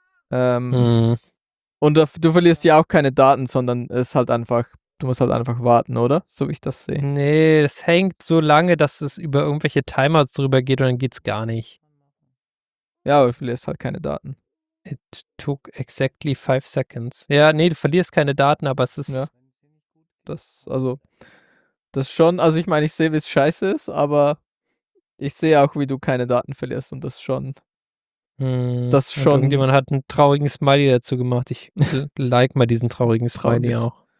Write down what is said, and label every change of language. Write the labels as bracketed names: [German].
[German] Und du verlierst ja auch keine Daten, sondern es ist halt einfach, du musst halt einfach warten, oder? So wie ich das sehe. Nee, es hängt so lange, dass es über irgendwelche Timeouts drüber geht und dann geht's gar nicht. Ja, aber du verlierst halt keine Daten. [English] It took exactly 5 seconds. [German] Ja, nee, du verlierst keine Daten, aber es ist... Ja. Das schon, also ich meine, ich sehe, wie es scheiße ist, aber... Ich sehe auch, wie du keine Daten verlierst und das schon. Irgendjemand hat einen traurigen Smiley dazu gemacht. Ich like mal diesen traurigen Smiley auch.